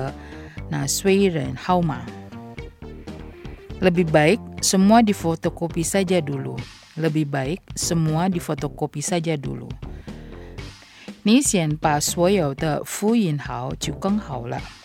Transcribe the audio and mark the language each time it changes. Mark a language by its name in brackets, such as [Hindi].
[Chinese] 在有固定的银行需要家庭卡和纳税人号码. [Indonesian] Lebih baik semua difotokopi saja dulu. Lebih baik semua difotokopi saja dulu. [Chinese] 你先把所有的复印好就更好了.